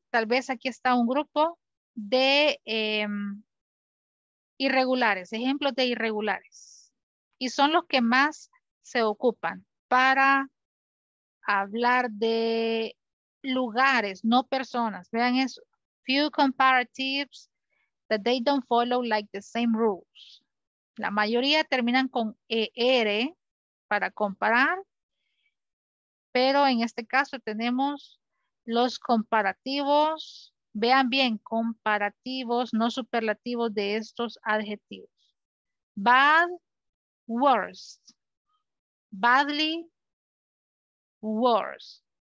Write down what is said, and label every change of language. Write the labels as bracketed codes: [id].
[es] Tal vez aquí está un grupo de irregulares, ejemplos de irregulares. Y son los que más se ocupan para hablar de lugares, no personas. Vean eso. [en] Few comparatives that they don't follow like the same rules. [es] La mayoría terminan con ER para comparar, pero en este caso tenemos los comparativos. Vean bien, comparativos, no superlativos de estos adjetivos. [en] Bad, worst. Badly, worse.